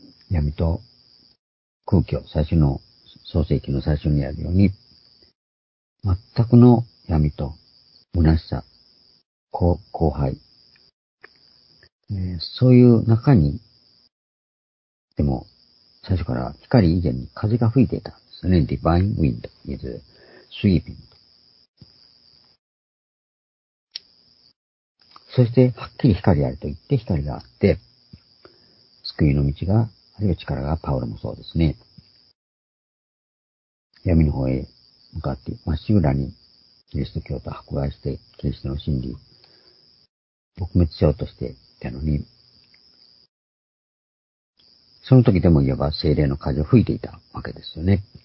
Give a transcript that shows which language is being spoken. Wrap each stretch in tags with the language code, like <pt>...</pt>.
<ja>闇と空虚、最初の創世記の最初にあるように、全くの闇と虚しさ、荒廃、そういう中に、でも最初から光以前に風が吹いていたんですね。</ja> <en>Divine Wind is sweeping.</en> <ja>そして、はっきり光あると言って、光があって、救いの道が、あるいは力が、パウロもそうですね。闇の方へ向かって、まっしぐらに、キリスト教と迫害して、キリストの真理、撲滅しようとしていたのに、その時でも言えば、聖霊の風を吹いていたわけですよね。</ja>